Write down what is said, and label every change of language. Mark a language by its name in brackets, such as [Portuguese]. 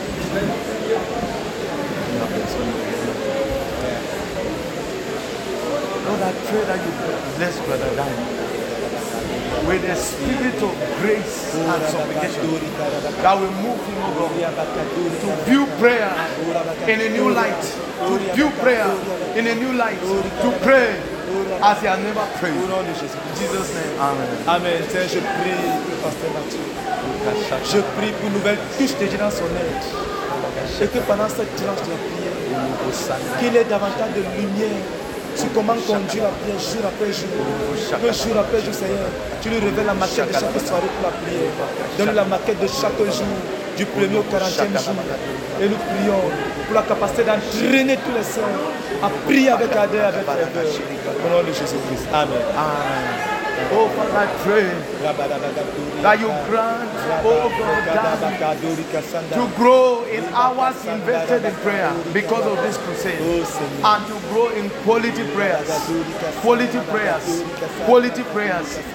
[English] Lord, I pray that you bless Brother Dan with a spirit of grace and supplication that will move him, oh God, to view prayer in a new light, to view prayer in a new light, to pray as he has never prayed. In Jesus' name. Amen. Amen. [French] Tiens, je prie pour Pasteur Mathieu. Je prie pour une nouvelle touche de Dieu dans son être. Et que pendant cette tranche de la prière, qu'il ait davantage de lumière sur comment conduire la prière jour après jour. Que jour après jour, Seigneur, tu lui révèles la maquette de chaque soirée pour la prière. Donne-lui la maquette de chaque jour, du premier au 40e jour. Et nous prions pour la capacité d'entraîner tous les saints à prier avec ardeur, avec ardeur. Au nom de Jésus-Christ. Amen. Amen. [English] Oh Father, I pray that you grant, oh God, to grow in hours invested in prayer because of this crusade, and to grow in quality prayers, quality prayers, quality prayers.